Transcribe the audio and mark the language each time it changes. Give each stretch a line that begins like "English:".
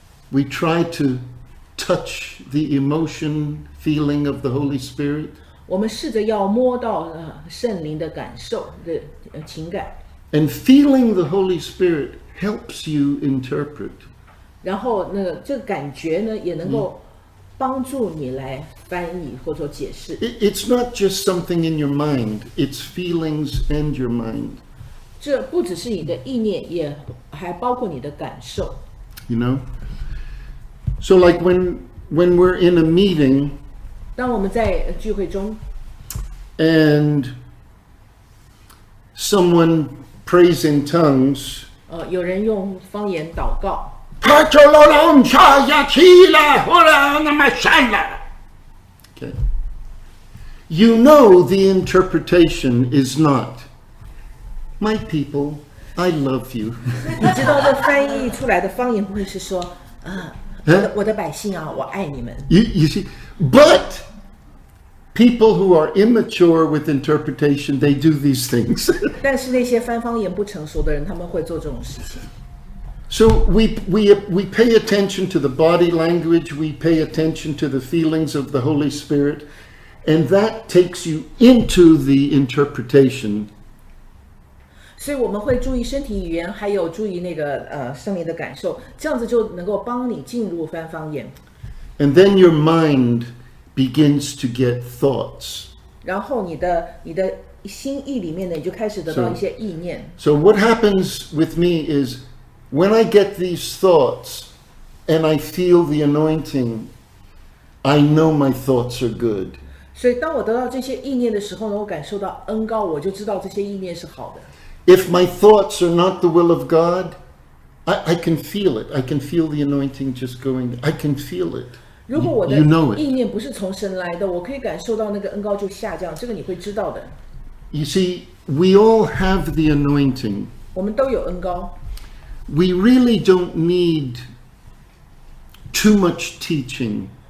English: We try to touch the emotion feeling of the Holy Spirit.
Chinese: 我们试着要摸到圣灵的感受的情感。
English: And feeling the Holy Spirit helps you interpret.
Chinese: 然后那个这个感觉呢，也能够帮助你来翻译或者解释。
English: It's not just something in your mind; it's feelings and your mind.
Chinese: 这不只是你的意念，也还包括你的感受。
English: You know, So like when we're in a meeting,
Chinese: 当我们在聚会中,
English: and someone prays in tongues,
Chinese: 有人用方言祷告,
English: okay. You know the interpretation is not, my people, I love you.
Chinese: 你知道这翻译出来的方言不会是说我的百姓啊，我爱你们。
English: You see, but people who are immature with interpretation, they do these things.
Chinese: 但是那些翻方言不成熟的人，他们会做这种事情。
English: So we pay attention to the body language, we pay attention to the feelings of the Holy Spirit, and that takes you into the interpretation.
Chinese: 所以我们会注意身体语言，还有注意那个圣灵的感受，这样子就能够帮你进入翻方言。
English: And then your mind begins to get thoughts.
Chinese: 然后你的心意里面呢，你就开始得到一些意念。
English: So what happens with me is,When I get these thoughts and I feel the anointing, I know my thoughts are good.
Chinese: 所以当我得到这些意念的时候呢，我感受到恩膏，我就知道这些意念是好的。
English: If my thoughts are not the will of God, I can feel it. I can feel the anointing just going. I can feel it.
Chinese: 如果我的意念不是从神来的，我可以感受到那个恩膏就下降，这个你会知道的。
English: You see, we all have the anointing.
Chinese: 我们都有恩膏。
English: We really don't need too much teaching.